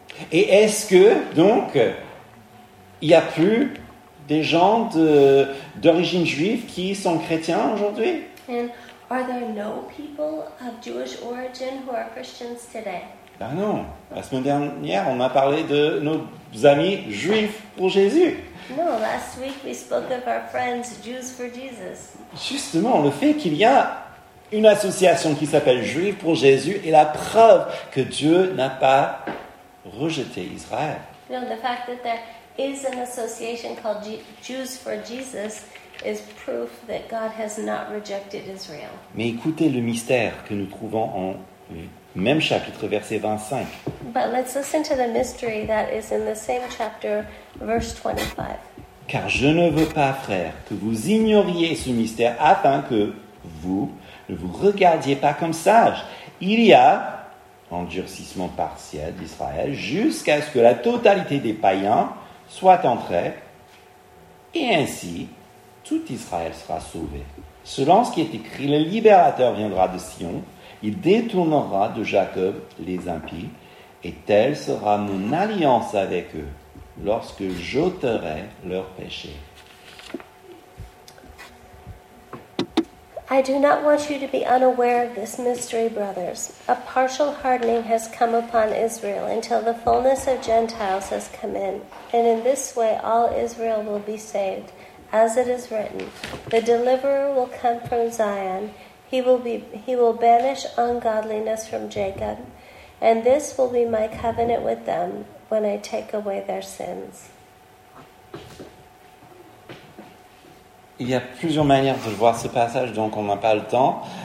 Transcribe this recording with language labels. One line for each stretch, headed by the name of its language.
French: Et est-ce que donc il n'y a plus des gens d'origine juive qui sont chrétiens aujourd'hui?
English: And are there no people of Jewish origin who are Christians today?
French: Ben non. La semaine dernière, on a parlé de nos amis juifs pour Jésus.
English: No, last week we spoke of our friends Jews for Jesus.
French: Justement, le fait qu'il y a une association qui s'appelle Juifs pour Jésus est la preuve que Dieu n'a pas rejeté Israël.
English: No, the fact that there is an association called Jews for Jesus is proof that God has not rejected Israel.
French: Mais écoutez le mystère que nous trouvons en même chapitre, verset 25.
English: But let's listen to the mystery that is in the same chapter, verse 25.
French: Car je ne veux pas, frères, que vous ignoriez ce mystère afin que vous ne vous regardiez pas comme sages. Il y a endurcissement partiel d'Israël jusqu'à ce que la totalité des païens soit entré, et ainsi tout Israël sera sauvé. Selon ce qui est écrit, le libérateur viendra de Sion, il détournera de Jacob les impies, et telle sera mon alliance avec eux lorsque j'ôterai leurs péchés.
English: I do not want you to be unaware of this mystery, brothers. A partial hardening has come upon Israel until the fullness of Gentiles has come in. And in this way, all Israel will be saved. As it is written, the deliverer will come from Zion. He will banish ungodliness from Jacob. And this will be my covenant with them when I take away their sins.
French: Il y a plusieurs manières de voir ce passage, donc on n'a pas le temps.